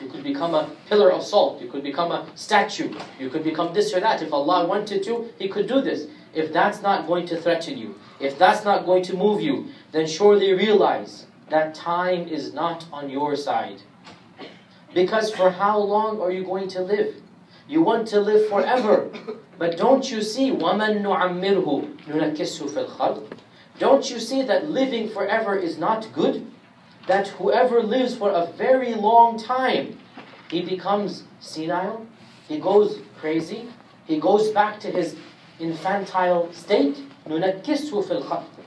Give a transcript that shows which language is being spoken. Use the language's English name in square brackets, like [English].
[English] You could become a pillar of salt, you could become a statue, you could become this or that. If Allah wanted to, He could do this. If that's not going to threaten you, if that's not going to move you, then surely realize that time is not on your side. Because for how long are you going to live? You want to live forever. But don't you see, [Arabic] وَمَن نُعَمِّرْهُ نُنَكِسْهُ فِي الْخَلْقِ? [English] Don't you see that living forever is not good? That whoever lives for a very long time, he becomes senile, he goes crazy, he goes back to his infantile state. [Arabic] نُنَكِسْهُ فِي الْخَلْقِ.